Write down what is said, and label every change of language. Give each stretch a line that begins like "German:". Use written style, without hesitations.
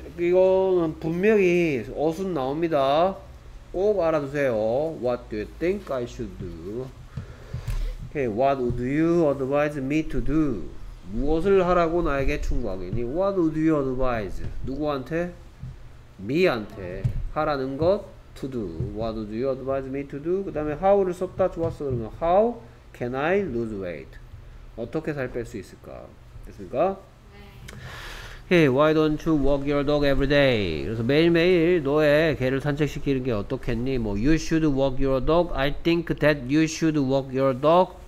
Korean: 이거는 분명히 어순 나옵니다. 꼭 알아두세요.
English: What do you think I should do? Hey, what would you advise me to do?
Korean: 무엇을 하라고 나에게 충고하겠니?
English: What would you advise?
Korean: 누구한테?
English: Me한테
Korean: 하라는 것?
English: To do. What would you advise me to do?
Korean: 그 다음에
English: how를
Korean: 썼다 좋았어. 그러면
English: how can I lose weight?
Korean: 어떻게 살 뺄 수 있을까? 됐습니까? 네.
English: Hey, why don't you walk your dog every day?
Korean: 그래서 매일매일 너의 개를 산책시키는 게 어떻겠니?
English: 뭐 you should walk your dog. I think that you should walk your dog.